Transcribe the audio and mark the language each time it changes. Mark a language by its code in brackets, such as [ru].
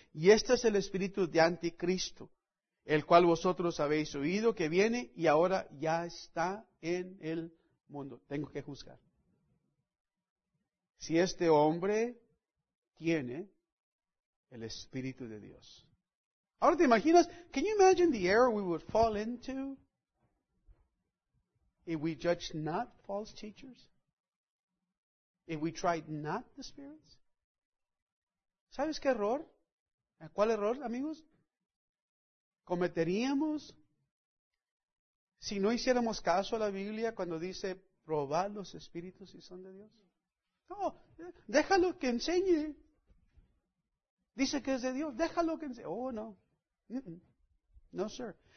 [es] Y este es el espíritu de anticristo, el cual vosotros habéis oído que viene y ahora ya está en el mundo. Tengo que juzgar. Si este hombre tiene el Espíritu de Dios. Ahora te imaginas, [en] can you imagine the error we would fall into if we judge not false teachers? If we tried not the spirits? [es] ¿Sabes qué error? ¿Cuál error, amigos? Cometeríamos si no hiciéramos caso a la Biblia cuando dice probad los espíritus si son de Dios. No, déjalo que enseñe. Dice que es de Dios. Déjalo que enseñe. Oh, no. [en] No, sir.